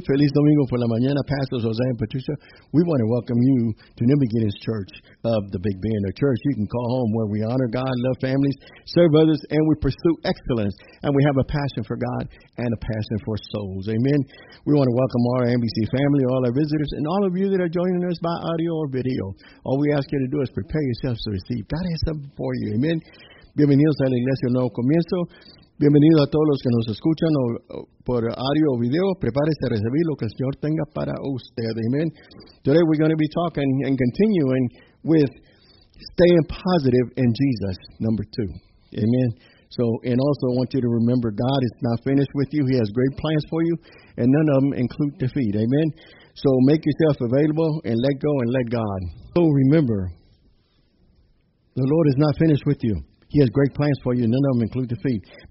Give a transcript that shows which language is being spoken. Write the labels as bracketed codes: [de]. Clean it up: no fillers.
[es] Feliz Domingo por la mañana, Pastors Jose and Patricia. [en] We want to welcome you to New Beginnings Church of the Big Bend, a church you can call home where we honor God, love families, serve others, and we pursue excellence. And we have a passion for God and a passion for souls. Amen. We want to welcome our NBC family, all our visitors, and all of you that are joining us by audio or video. All we ask you to do is prepare yourselves to receive. God has something for you. Amen. [es] Bienvenidos a la Iglesia Nuevo Comienzo. Bienvenidos a todos los que nos escuchan o por audio o video. Prepárese a recibir lo que el Señor tenga para usted. Amen. [en] Today we're going to be talking and continuing with staying positive in Jesus, number two. Amen. So, and also I want you to remember God is not finished with you. He has great plans for you, and none of them include defeat. Amen. So make yourself available and let go and let God. So remember, the Lord is not finished with you. He has great plans for you. None of them include defeat.